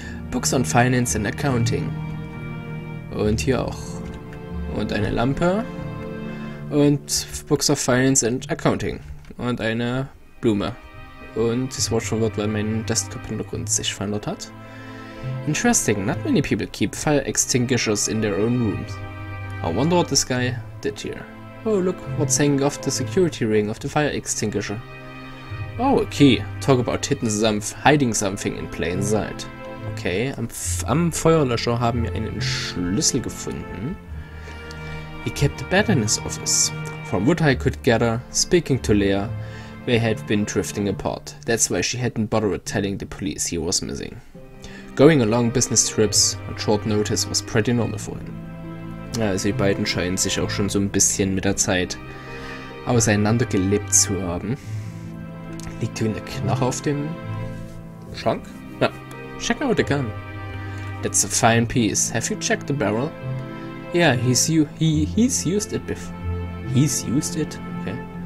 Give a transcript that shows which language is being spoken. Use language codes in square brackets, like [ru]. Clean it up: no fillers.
[en] Books on Finance and Accounting. [de] Und hier auch. Und eine Lampe. Und [en] Books of Finance and Accounting. [de] Und eine Blume. Und das Wort schon wird, weil mein Desktop-Hintergrund sich verändert hat. [en] Interesting, not many people keep fire extinguishers in their own rooms. I wonder what this guy did here. Oh, look, what's hanging off the security ring of the fire extinguisher. Oh, a key. Talk about hiding something in plain sight. [de] Okay, am Feuerlöscher haben wir einen Schlüssel gefunden. [en] He kept a bed in his office. From what I could gather, speaking to Leah, they had been drifting apart. That's why she hadn't bothered telling the police he was missing. Going along business trips on short notice was pretty normal for him. [de] Ja, also die beiden scheinen sich auch schon so ein bisschen mit der Zeit auseinandergelebt zu haben. Liegt hier eine Knarre auf dem Schrank? Ja. [en] Check out the gun. That's a fine piece. Have you checked the barrel? Yeah, he's used it. Okay.